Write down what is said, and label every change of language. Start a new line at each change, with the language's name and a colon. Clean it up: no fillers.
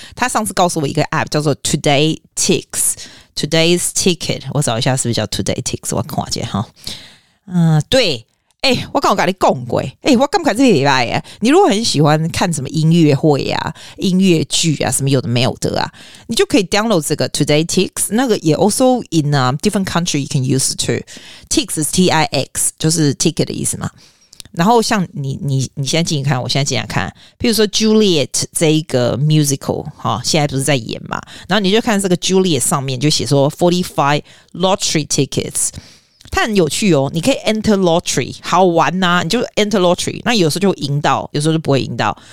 Chinese: 她上次告诉我一个 app 叫做 Today Ticks， Today's Ticket， 我找一下是不是叫 Today Ticks， 我看一下哈。嗯，对。欸，我刚跟你说过，欸，我刚刚这礼拜，你如果很喜欢看什么音乐会啊，音乐剧啊，什么有的没有的啊，你就可以 download 这个 Today Tix， 那个也
English: also in a different country you can use it too.
Chinese: Tix is T-I-X， 就是 ticket 的意思嘛。然后像你现在进去看，我现在进来看，譬如说 Juliet 这一个 musical，哦，现在不是在演嘛，然后你就看这个 Juliet 上面就写说 45 lottery tickets，它很有趣哦，你可以 enter lottery， 好玩啊，你就 enter lottery， 那有时候就会赢到，有时候就不会赢到。